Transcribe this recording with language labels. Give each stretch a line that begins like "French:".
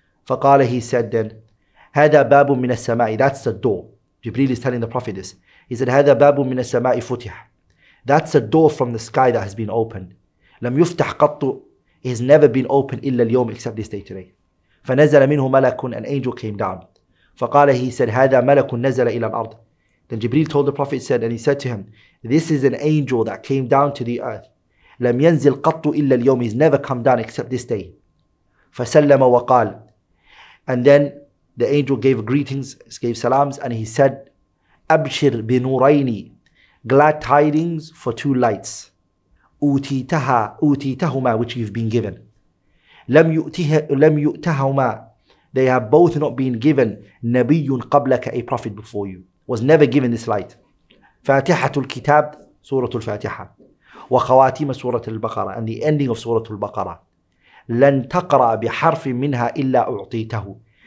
Arabic: فقال,
English: he said then,
Arabic: هذا باب من السماء.
English: That's the door. Jibril is telling the Prophet this.
Arabic: He said, هذا باب من السماء فتح.
English: That's a door from the sky that has been opened.
Arabic: لم يفتح قط.
English: It has never been opened
Arabic: إلا اليوم,
English: except this day today.
Arabic: فنزل منه ملك,
English: an angel came down.
Arabic: فقال,
English: he said,
Arabic: هذا ملك نزل إلى الأرض.
English: Then Jibril told the Prophet, said, and he said to him, this is an angel that came down to the earth.
Arabic: لم ينزل قط إلا اليوم,
English: he's never come down except this day.
Arabic: فسلم وقال,
English: and then the angel gave greetings, gave salams, and he said,
Arabic: أبشر بنوريني,
English: glad tidings for two lights.
Arabic: أوتيتها, أوتيتهما,
English: which you've been given.
Arabic: لم يؤتها, لم يؤتهما,
English: they have both not been given.
Arabic: نبي قبلك,
English: a prophet before you was never given this light.
Arabic: فاتحة الكتاب, سورة الفاتحة, وخواتيم سورة البقرة,
English: and the ending of
Arabic: سورة البقرة. لن تقرأ بحرف منها إلا أعطيته.